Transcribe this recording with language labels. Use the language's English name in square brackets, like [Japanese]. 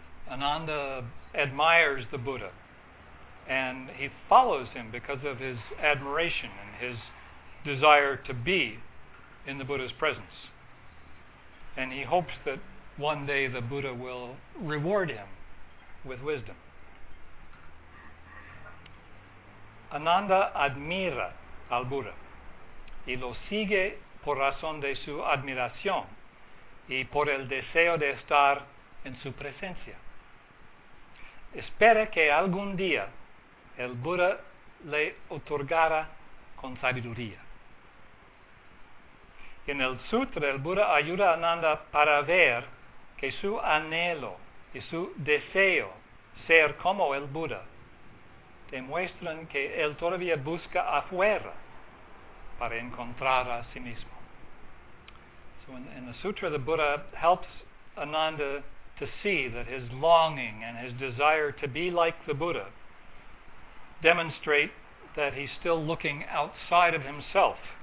[English] Ananda admires the Buddha, and he follows him because of his admiration and his desire to be in the Buddha's presence. And he hopes that one day the Buddha will reward him with wisdom. [Spanish] Ananda admira al Buddha, y lo sigue por razón de su admiración y por el deseo de estar en su presencia. Espera que algún día el Buda le otorgara con sabiduría. En el sutra, el Buda ayuda a Ananda para ver que su anhelo y su deseo ser como el Buda demuestran que él todavía busca afuera para encontrar a sí mismo. [English] So in the sutra, the Buddha helps Ananda to see that his longing and his desire to be like the Buddha demonstrate that he's still looking outside of himself.